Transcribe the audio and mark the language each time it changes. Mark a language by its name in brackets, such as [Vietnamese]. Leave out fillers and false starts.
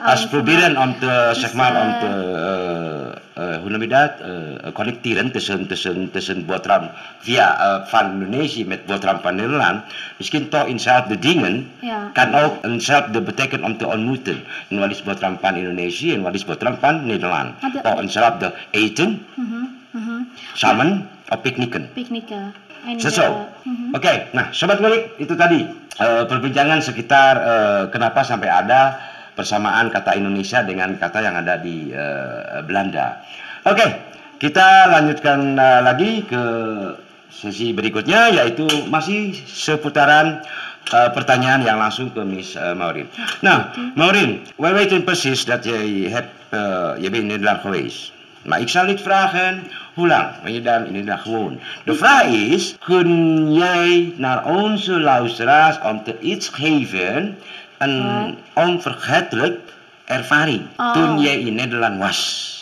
[Dutch] Als proberen om te zeg maar om te hoe noem je dat connecteren tussen botram via van Indonesië met botram van Nederland, misschien toch inzelfde dingen kan ook inzelfde betekenen om te ontmoeten en wat is botram van Indonesië en wat is botram van Nederland toch inzelfde eten samen of piknikken. Seso. [Indonesian] Oke, nah sobat ngulik itu tadi perbincangan sekitar kenapa sampai ada persamaan kata Indonesia dengan kata yang ada di Belanda. Oke, kita lanjutkan lagi ke sesi berikutnya, yaitu masih seputaran pertanyaan yang langsung ke Miss Maureen. [Dutch] Nah, Maureen, we weten persis dat je bent in Nederland geweest. Maar ik zal niet vragen, hoe lang ben je dan in Nederland gewoon? De vraag is, kun jij naar onze luisteraars om te iets geven... een onvergetelijk ervaring toen jij in Nederland was.